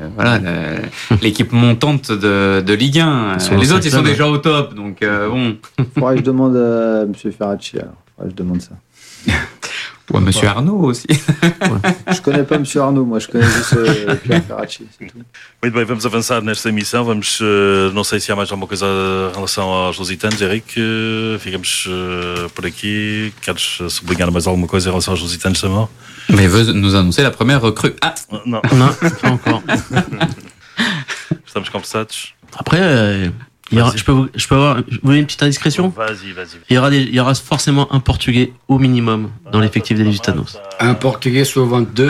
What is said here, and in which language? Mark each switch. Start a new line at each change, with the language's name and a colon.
French: Voilà, l'équipe montante de Ligue 1. Les autres sont déjà au top, donc bon. Faudrait que je demande à M. Ferracci, alors. Faudrait que je demande ça. Ou à M. Arnaud aussi. Ouais. Je ne connais pas M. Arnaud, moi, je connais juste Pierre Ferracci, c'est tout.
Portuguese: Muito bem, vamos avançar nesta emissão. Vamos, não sei se há mais alguma coisa em relação aos Lusitanos. Eric, ficamos por aqui. Queres sublinhar mais alguma coisa em relação aos Lusitanos também?
French: Mas veux nous annoncer la première recrue? Ah!
Portuguese: Não,
French: pas encore.
Portuguese: Estamos conversados.
French: Après, je peux avoir une petite indiscrétion? Vas-y. Il y aura forcément un Portugais au minimum dans l'effectif des Lusitanos. Un Portugais sur 22,